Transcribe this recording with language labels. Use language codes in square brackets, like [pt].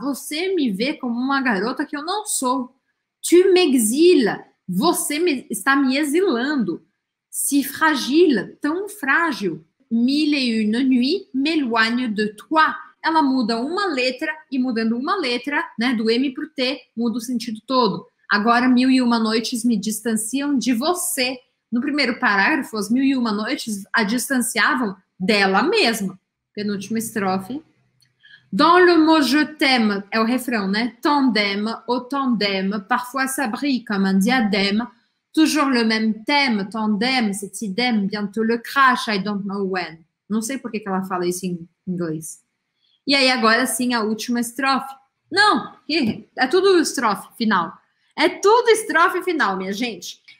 [pt] Você me vê como uma garota que eu não sou. [fr] Tu m'exiles. [pt] Você está me exilando. [fr] Si fragile, [pt] tão frágil. [fr] Mille et une nuits m'éloigne de toi. [pt] Ela muda uma letra e mudando uma letra, né, do M para o T, muda o sentido todo. Agora, mil e uma noites me distanciam de você. No primeiro parágrafo, as mil e uma noites a distanciavam dela mesma. Penúltima estrofe. [fr] Dans le mot je t'aime, [pt] é o refrão, né? [fr] Tandem, au tandem, parfois ça brille comme un diadème. Toujours le même thème, tandem, c'est idem, bientôt le crash, [en] I don't know when. [pt] Não sei por que ela fala isso em inglês. E aí, agora sim, a última estrofe. Não, é tudo estrofe final. É tudo estrofe final, minha gente.